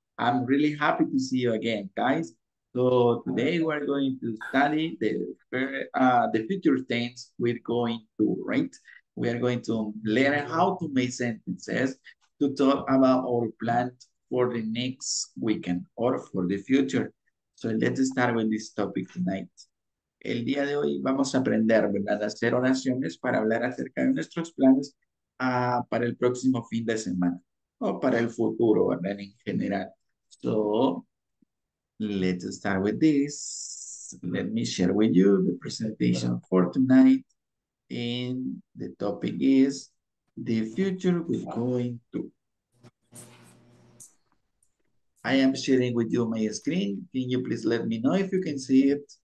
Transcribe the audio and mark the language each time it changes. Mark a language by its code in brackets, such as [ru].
[en] I'm really happy to see you again, guys. So today we're going to study the future tense we're going to, right? We are going to learn how to make sentences to talk about our plans for the next weekend or for the future. So let's start with this topic tonight. [es] El día de hoy vamos a aprender, ¿verdad?, a hacer oraciones para hablar acerca de nuestros planes para el próximo fin de semana o para el futuro, ¿verdad?, en general. [en] So, let's start with this. Let me share with you the presentation for tonight. And the topic is the future we're going to. I am sharing with you my screen. Can you please let me know if you can see it?